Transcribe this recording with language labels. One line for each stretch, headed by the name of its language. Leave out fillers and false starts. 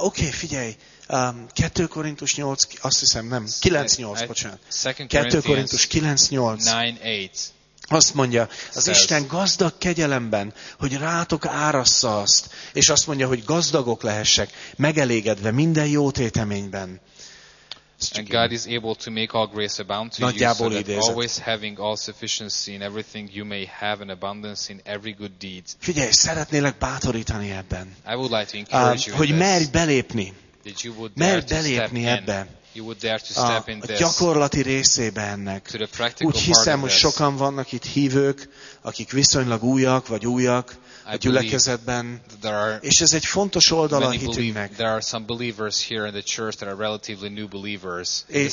Hungarian: Figyelj, 2 Korintus 8, azt hiszem, nem, 9-8, bocsánat. 2 Korintus 9-8. Azt mondja, az Isten gazdag kegyelemben, hogy rátok árassza azt, és azt mondja, hogy gazdagok lehessek, megelégedve minden jó téteményben.
English: And God is able to make all grace abound to
Hungarian: nagyjából
English: you, so
Hungarian: idézet.
English: That always having all sufficiency in everything you may have an abundance in every good deed.
Hungarian: Figyelj, szeretnélek bátorítani ebben.
English: I would like to encourage you
Hungarian: hogy merj belépni.
English: That you would
Hungarian: merj belépni ebbe.
English: You would dare to step in
Hungarian: a gyakorlati részébe ennek. Úgy hiszem, hogy sokan vannak itt hívők, akik viszonylag újak, a gyülekezetben, és ez egy fontos oldala a hitünknek.
English: There are some believers here in the church that are relatively new believers.